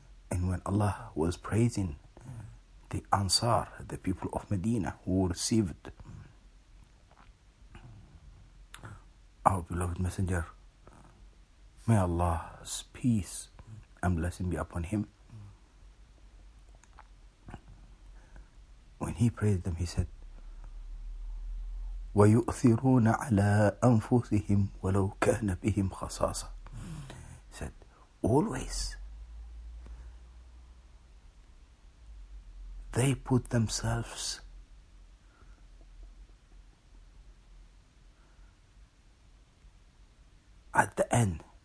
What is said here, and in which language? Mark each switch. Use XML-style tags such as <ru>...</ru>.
<en>And when Allah was praising the Ansar, the people of Medina who received our beloved messenger, may Allah's peace and blessing be upon him. When he praised them, he said,</en> <ar>وَيُؤْثِرُونَ عَلَىٰ أَنفُسِهِمْ وَلَوْ كَانَ بِهِمْ خَصَاصَةً.</ar> <en>He said, always they put themselves at the end.</en>